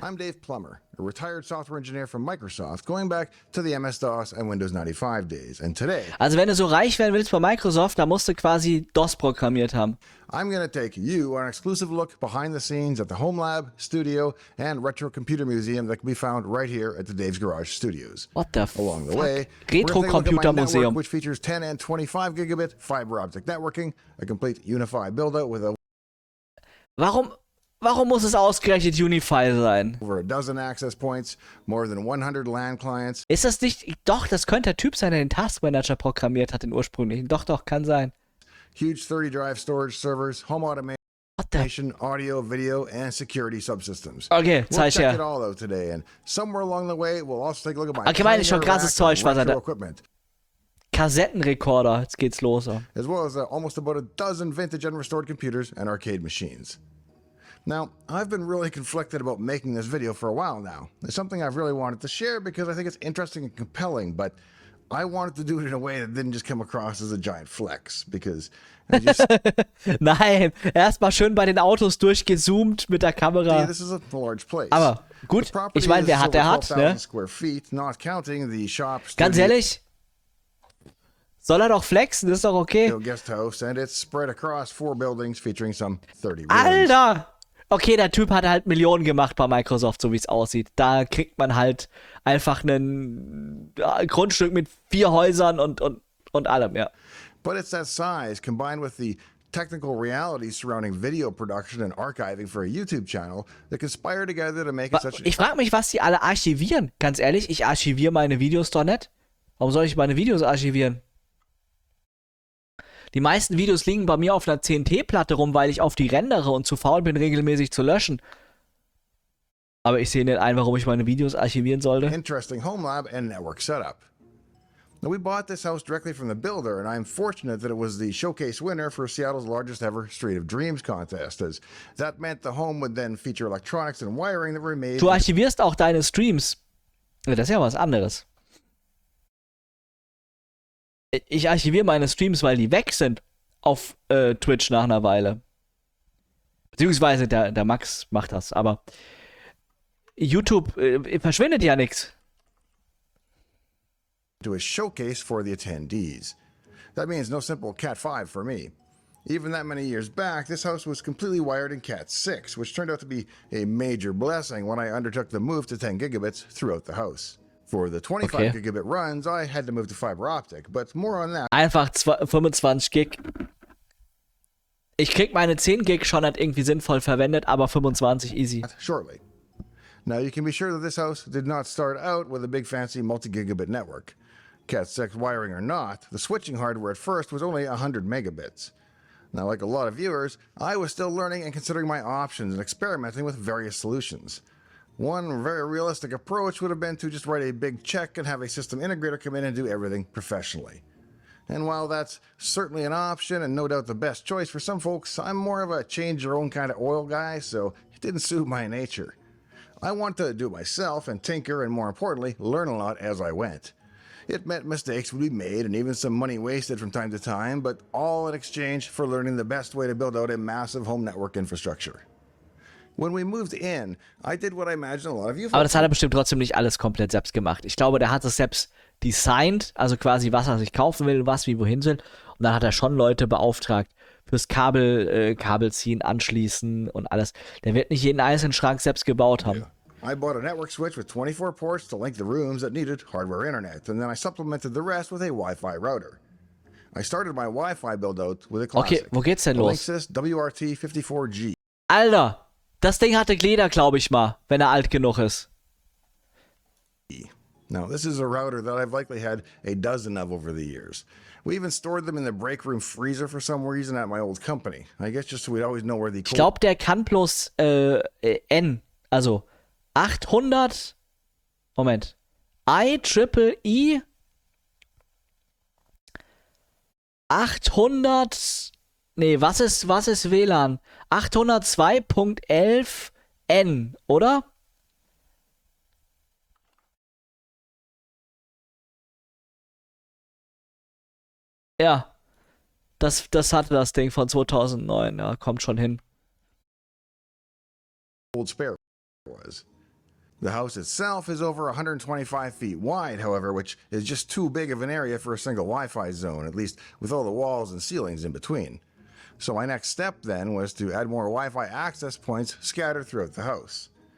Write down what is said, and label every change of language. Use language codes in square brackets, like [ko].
[en] I'm Dave Plummer, a retired software engineer from Microsoft, going back to the MS-DOS and Windows 95 days. And today... [de] Also, wenn du so reich werden willst bei Microsoft, dann musst du quasi DOS programmiert haben. [en] I'm going to take you on an exclusive look behind the scenes at the Home Lab, Studio, and Retro Computer Museum that can be found right here at the Dave's Garage Studios. What the fuck? Along the way, Retro Computer Museum. Network, which features 10 and 25 gigabit fiber optic networking, a complete unified build-out with a... [de] Warum muss es ausgerechnet Unify sein? [en] Over a dozen access points, more than 100 LAN clients. [de] Ist das nicht... Doch, das könnte der Typ sein, der den Task Manager programmiert hat, den ursprünglichen. Doch, kann sein. [en] Huge 30-drive storage servers, home automation, audio, video, and security subsystems. [de] Okay, zeig her. [en] We'll check it all today, and somewhere along the way, we'll also take a look at my... [de] Okay, meine ich schon, krasses Zeug, was er da... Kassettenrekorder, jetzt geht's los. [en] As well as almost about a dozen vintage and restored computers and arcade machines. Now, I've been really conflicted about making this video for a while now. It's something I've really wanted to share because I think it's interesting and compelling, but I wanted to do it in a way that didn't just come across as a giant flex, because [de] Nein, erstmal schön bei den Autos durchgezoomt mit der Kamera. [en] This is a large place. [de] Aber gut, ich meine, wer hat, der hat, ne? [en] Square feet, not counting the shop, studio. [de] Ganz ehrlich, soll er doch flexen, das ist doch okay. [en] No guest host, and it's spread across four buildings featuring some 30 rooms. Alter! [de] Okay, der Typ hat halt Millionen gemacht bei Microsoft, so wie es aussieht. Da kriegt man halt einfach ein Grundstück mit vier Häusern und allem, ja. [en] But it's that size combined with the technical reality surrounding video production and archiving for a YouTube channel that conspire together to make it such [de] a... Ich frag mich, was die alle archivieren. Ganz ehrlich, ich archiviere meine Videos doch nicht. Warum soll ich meine Videos archivieren? Die meisten Videos liegen bei mir auf einer 10T-Platte rum, weil ich auf die rendere und zu faul bin, regelmäßig zu löschen. Aber ich sehe nicht ein, warum ich meine Videos archivieren sollte. [en] Interesting home lab and network setup. Now we bought this house directly from the builder, and I'm fortunate that it was the showcase winner for Seattle's largest ever Street of Dreams contest, as that meant the home would then feature electronics and wiring that were made. [de] Du archivierst auch deine Streams. Das ist ja was anderes. Ich archiviere meine Streams, weil die weg sind auf Twitch nach einer Weile. Beziehungsweise der Max macht das, aber YouTube verschwindet ja nichts. [en] To a showcase for the attendees. That means no simple Cat 5 for me. Even that many years back, this house was completely wired in Cat 6, which turned out to be a major blessing when I undertook the move to 10 gigabits throughout the house. For the 25 okay. gigabit runs, I had to move to fiber optic, but more on that. [de] Einfach 25 Gig. Ich krieg meine 10 Gig schon halt irgendwie sinnvoll verwendet, aber 25 easy. [en] Shortly. Now you can be sure that this house did not start out with a big fancy multi-gigabit network. Cat 6 wiring or not, the switching hardware at first was only 100 megabits. Now, like a lot of viewers, I was still learning and considering my options and experimenting with various solutions. One very realistic approach would have been to just write a big check and have a system integrator come in and do everything professionally. And while that's certainly an option and no doubt the best choice for some folks, I'm more of a change your own kind of oil guy, so it didn't suit my nature. I want to do it myself and tinker and, more importantly, learn a lot as I went. It meant mistakes would be made and even some money wasted from time to time, but all in exchange for learning the best way to build out a massive home network infrastructure. When we moved in, I did what I imagine a lot of you... [de] Aber das hat er bestimmt trotzdem nicht alles komplett selbst gemacht. Ich glaube, der hat es selbst designed, also quasi was er sich kaufen will, was wie wohin soll. Und dann hat er schon Leute beauftragt fürs Kabel, Kabel ziehen, anschließen und alles. Der wird nicht jeden einzelnen Schrank selbst gebaut haben. [en] Yeah. I bought a network switch with 24 ports to link the rooms that needed hardware internet, and then I supplemented the rest with a Wi-Fi router. I started my Wi-Fi build-out with a classic. [de] Okay, wo geht's denn los? [en] Linksys WRT54G. [de] Alter, das Ding hatte Glieder, glaube ich mal, wenn er alt genug ist. [en] Now, this is a router that I've likely had a dozen of over the years. We even stored them in the break room freezer for some reason at my old company. I guess just so we'd always know where the... [de] Ich glaube, der kann bloß N, also... 800, Moment, IEEE 800, nee, was ist WLAN? 802.11n, oder? Ja, das hatte das Ding von 2009, ja, kommt schon hin. [en] Old spare was. The house itself is over 125 feet wide, however, which is just too big of an area for a single Wi-Fi zone, at least with all the walls and ceilings in between. So my next step, then, was to add more Wi-Fi access points scattered throughout the house.